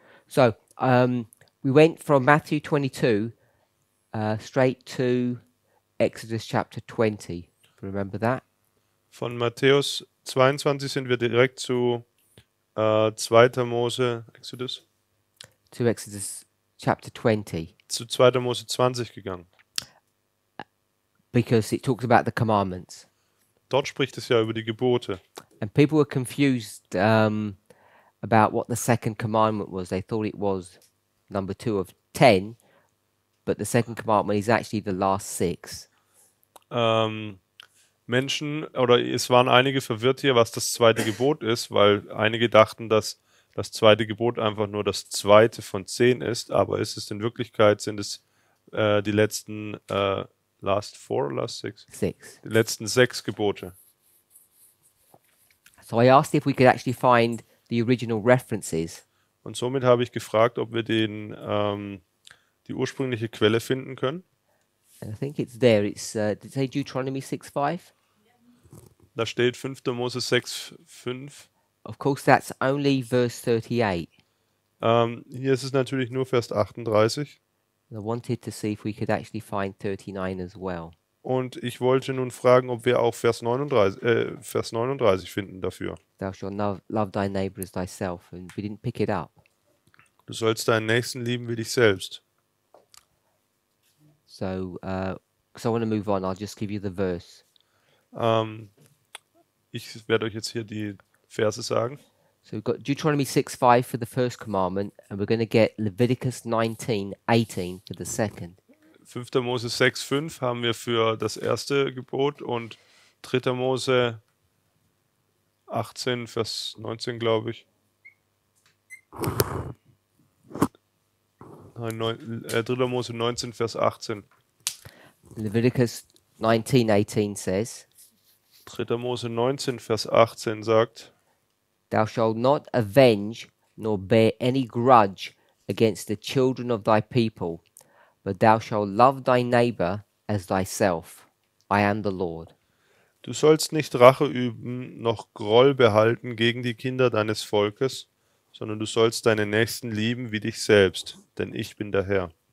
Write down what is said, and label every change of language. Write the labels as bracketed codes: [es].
[en] So, we went from Matthew 22 straight to Exodus chapter 20. Remember that? [de] Von Matthäus 22 sind wir direkt zu 2. Mose, Exodus. [en] To Exodus chapter 20. [de] Zu 2. Mose 20 gegangen. [en] Because it talks about the commandments. [de] Dort spricht es ja über die Gebote. [en] And people were confused about what the second commandment was. They thought it was number 2 of 10, but the second commandment is actually the last 6. [de] Menschen, oder es waren einige verwirrt hier, was das zweite Gebot ist, weil einige dachten, dass das zweite Gebot einfach nur das zweite von 10 ist, aber ist es in Wirklichkeit, sind es die letzten [en] last 4 or last 6? 6. [de] Die letzten 6 Gebote. [en] So I asked if we could actually find the original references. [de] Und somit habe ich gefragt, ob wir den die ursprüngliche Quelle finden können. [en] And I think it's there. It's did it say Deuteronomy 6:5. [de] Da steht 5. Mose 6:5. [en] Of course that's only verse 38. [de] Hier ist es natürlich nur Vers 38. [en] And I wanted to see if we could actually find 39 as well. [de] Und ich wollte nun fragen, ob wir auch Vers 39 finden dafür. [en] Thou shalt love thy neighbor as thyself, and we didn't pick it up. [de] Du sollst deinen Nächsten lieben wie dich selbst. [en] So, so I want to move on. I'll just give you the verse. [de] Ich werde euch jetzt hier die Verse sagen. [en] So we've got Deuteronomy 6:5 for the first commandment, and we're going to get Leviticus 19:18 for the second. 5. [de] Mose 6:5 haben wir für das erste Gebot und 3. Mose 18, Vers 19, glaube ich. 3. Mose 19, Vers 18. [en] Leviticus 19:18 says, [de] 3. Mose 19, Vers 18 sagt, [en] Thou shalt not avenge nor bear any grudge against the children of thy people. But thou shalt love thy neighbor as thyself. I am the Lord. [de] Du sollst nicht Rache üben, noch Groll behalten gegen die Kinder deines Volkes, sondern du sollst deine Nächsten lieben wie dich selbst, denn ich bin der Herr.